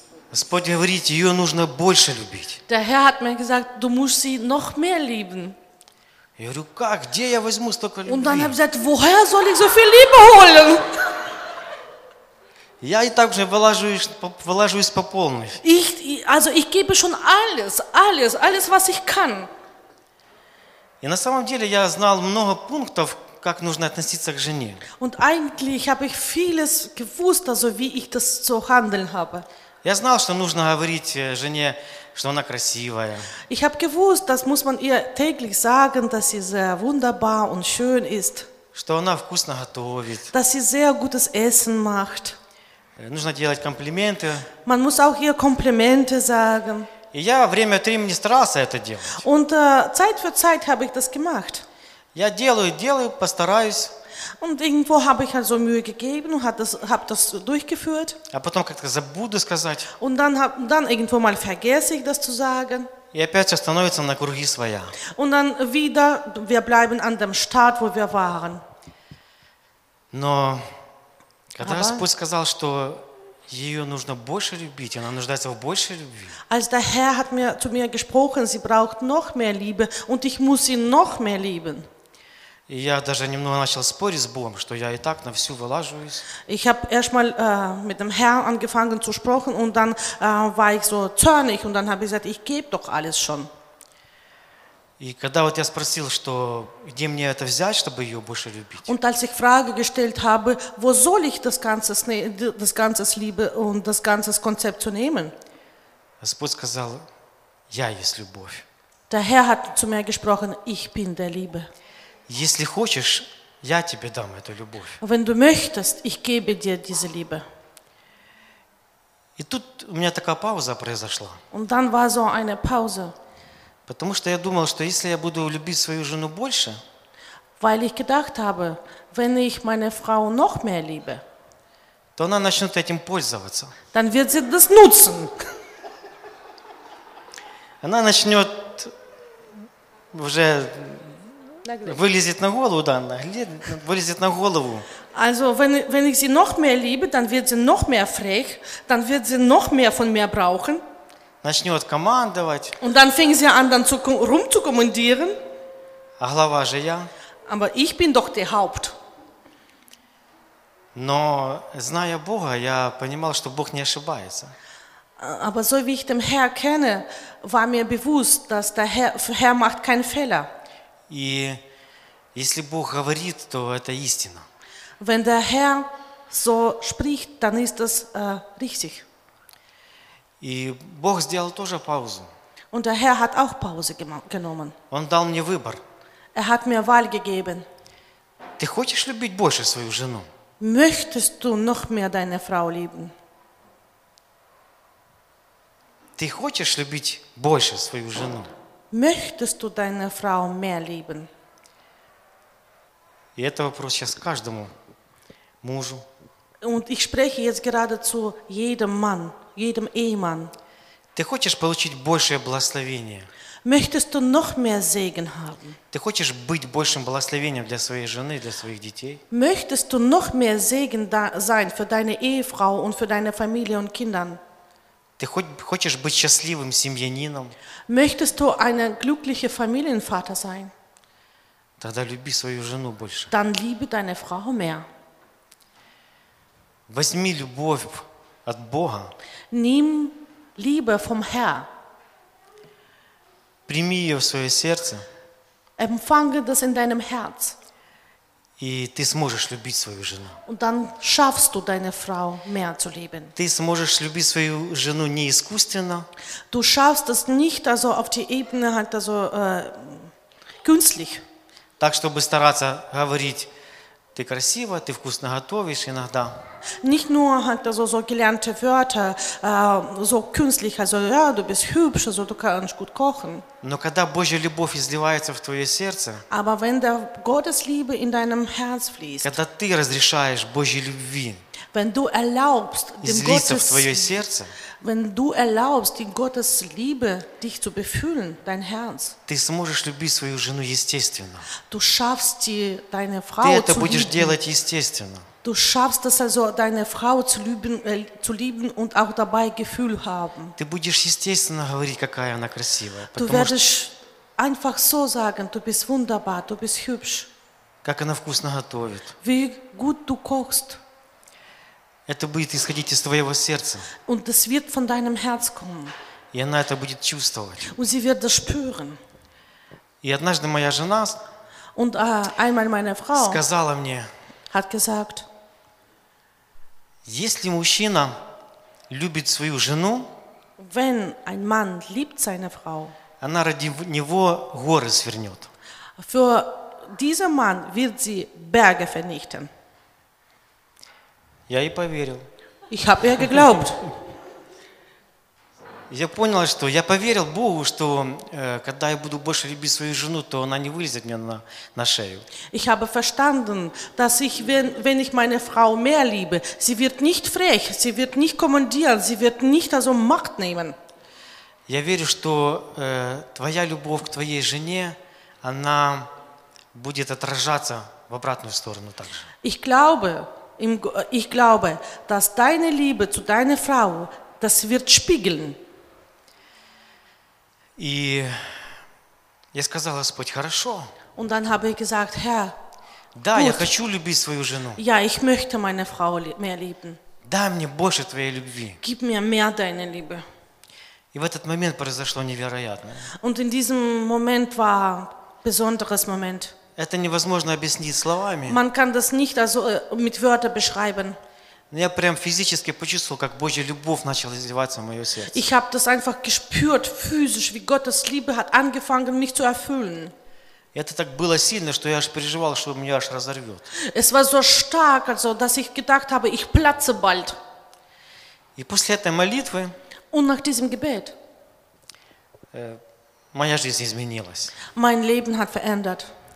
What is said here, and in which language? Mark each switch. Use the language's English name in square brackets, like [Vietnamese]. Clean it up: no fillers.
[Russian] Господь говорит, ее нужно больше любить. [German] Der Herr hat mir gesagt, du musst sie noch mehr lieben. [Russian] Я говорю, как? Где я возьму столько любви? [German] Und dann habe ich gesagt, woher soll ich so viel Liebe holen? [Russian] Я и так уже вылаживаюсь по полной. [German] Ich, also ich gebe schon alles, was ich kann. [Russian] И на самом деле я знал много пунктов, как нужно относиться к жене. [German] Und eigentlich habe ich vieles gewusst, also wie ich das zu handeln habe. [Russian] Я знал, что нужно говорить жене, что она красивая. [German] Ich habe gewusst, das muss man ihr täglich sagen, dass sie sehr wunderbar und schön ist. [Russian] Что она вкусно готовит. [German] Dass sie sehr gutes Essen macht. [Russian] Нужно делать комплименты. [German] Man muss auch ihr Komplimente sagen. [Russian] И я время от времени старался это делать. [German] Und Zeit für Zeit habe ich das gemacht. [Russian] Я делаю, постараюсь. [German] Und irgendwo habe ich also Mühe gegeben und habe das durchgeführt. [Russian] А потом как-то забуду сказать. [German] Und dann irgendwo mal vergesse ich das zu sagen. [Russian] И опять становится на круги своя. [German] Und dann wieder, wir bleiben an dem Start, wo wir waren. [Russian] Но когда Господь сказал, что ее нужно больше любить, она нуждается в большей любви. [German] Als der Herr hat mir zu mir gesprochen, sie braucht noch mehr Liebe und ich muss sie noch mehr lieben. [Russian] И я даже немного начал спорить с Богом, что я и так на всю вылаживаюсь. [German] Ich habe erstmal mit dem Herrn angefangen zu sprechen und dann war ich so zornig und dann habe ich gesagt, ich gebe doch alles schon. [Russian] И когда вот я спросил, что где мне это взять, чтобы ее больше любить? [German] Und als ich Frage gestellt habe, wo soll ich das ganze Liebe und das ganze Konzept zu nehmen? [Russian] Господь сказал, я есть любовь. [German] Der Herr hat zu mir gesprochen, ich bin der Liebe. [Russian] Если хочешь, я тебе дам эту любовь. [German] Wenn du möchtest, ich gebe dir diese Liebe. [Russian] И тут у меня такая пауза произошла. [German] Und dann war so eine Pause. [Russian] Потому что я думал, что если я буду любить свою жену больше, [German] weil ich gedacht habe, wenn ich meine Frau noch mehr liebe, [Russian] то она начнет этим пользоваться. [German] Dann wird sie das nutzen. [Russian] Она начнет уже вылезет на голову, да, вылезет на голову. [German] Also, wenn ich sie noch mehr liebe, dann wird sie noch mehr frech, dann wird sie noch mehr von mir brauchen. [Russian] Начнет командовать. [German] Und dann fing sie an, dann rumzukommandieren. [Russian] А глава же я. [German] Aber ich bin doch der Haupt. [Russian] Но, зная Бога, я понимал, что Бог не ошибается. [German] Aber so wie ich den Herr kenne, war mir bewusst, dass der Herr macht keinen Fehler. [Russian] И если Бог говорит, то это истина. [German] Wenn der Herr so spricht, dann ist das richtig. [Russian] И Бог сделал тоже паузу. [German] Und der Herr hat auch Pause genommen. [Russian] Он дал мне выбор. [German] Er hat mir Wahl gegeben. [Russian] Ты хочешь любить больше свою жену? [German] Möchtest du noch mehr deine Frau lieben? [Russian] Ты хочешь любить больше свою жену? [German] Möchtest du deine Frau mehr lieben? [Russian] И это вопрос сейчас каждому мужу. [German] Und ich spreche jetzt gerade zu jedem Mann, jedem Ehemann. [Russian] Ты хочешь получить большее благословение? [German] Möchtest du noch mehr Segen haben? [Russian] Ты хочешь быть большим благословением для своей жены, для своих детей? [German] Möchtest du noch mehr Segen sein für deine Ehefrau und für deine Familie und Kindern? [Russian] Ты хочешь быть счастливым семьянином? [German] Möchtest du ein glücklicher Familienvater sein? [Russian] Тогда люби свою жену больше. [German] Dann liebe deine Frau mehr. [Russian] Возьми любовь от Бога. [German] Nimm Liebe vom Herr. [Russian] Прими ее в свое сердце. [German] Empfange das in deinem Herz. [Russian] И ты сможешь любить свою жену. [German] Und dann schaffst du deine Frau mehr zu lieben. [Russian] Ты сможешь любить свою жену не искусственно. [German] Du schaffst es nicht also auf die Ebene halt also künstlich. [Russian] Так чтобы стараться говорить, ты красиво, ты вкусно готовишь иногда. [German] Nicht nur halt also so gelernte Wörter so künstlich also ja du bist hübsch also du kannst gut kochen. [Russian] Но когда Божья любовь изливается в твое сердце, [German] aber wenn der Gottesliebe in deinem Herz fließt, [Russian] когда ты разрешаешь Божьей любви, [German] wenn du erlaubst [Russian] излиться в твое сердце, [German] wenn du erlaubst die Gottesliebe dich zu befühlen dein Herz, [Russian] ты сможешь любить свою жену естественно. [German] Du schaffst die, deine Frau [Russian] ты это [German] zu [Russian] будешь [German] lieben. [Russian] Делать естественно. [German] Du schaffst es also, deine Frau zu lieben und auch dabei Gefühl haben. [Russian] Ты будешь естественно говорить, какая она красивая. [German] Du wirst einfach so sagen, du bist wunderbar, du bist hübsch. [Russian] Как она вкусно готовит. [German] Wie gut du kochst. [Russian] Это будет исходить из твоего сердца. [German] Und es wird von deinem Herz kommen. [Russian] И она это будет чувствовать. [German] Und sie wird das spüren. [Russian] И однажды моя жена [German] und, einmal meine Frau [Russian] сказала мне, [German] hat gesagt, [Russian] если мужчина любит свою жену, [German] wenn ein Mann liebt seine Frau, [Russian] она ради него горы свернет. [German] Für diesen Mann wird sie Berge vernichten. [Russian] Я ей поверил. [German] Ich habe ihr geglaubt. [Russian] Я понял, что я поверил Богу, что когда я буду больше любить свою жену, то она не вылезет мне на шею. [German] Ich habe verstanden, dass ich wenn ich meine Frau mehr liebe, sie wird nicht frech, sie wird nicht kommandieren, sie wird nicht also Macht nehmen. [Russian] Я верю, что твоя любовь к твоей жене, она будет отражаться в обратную сторону также. [German] Ich glaube, dass deine Liebe zu deiner Frau, das wird spiegeln. [Russian] И я сказал, Господь, хорошо. [German] Und dann habe ich gesagt, Herr, [Russian] да, [German] gut. [Russian] Я хочу любить свою жену. [German] Ja, ich möchte meine Frau mehr lieben. [Russian] Дай мне больше твоей любви. [German] Gib mir mehr deine Liebe. [Russian] И в этот момент произошло невероятное. [German] Und in diesem Moment war besonderes Moment. [Russian] Это невозможно объяснить словами. [German] Man kann das nicht also mit Wörtern beschreiben. [Russian] Я прям физически почувствовал, как Божья любовь начала изливаться в мое сердце. [German] Ich habe das einfach gespürt physisch, wie Gottes Liebe hat angefangen mich zu erfüllen. [Russian] Это так было сильно, что я аж переживал, что меня аж разорвет. [German] Es war so stark, also dass ich gedacht habe, ich platze bald. [Russian] И после этой молитвы. [German] Und nach diesem Gebet. [Russian] Моя жизнь изменилась. [German] Mein Leben hat verändert.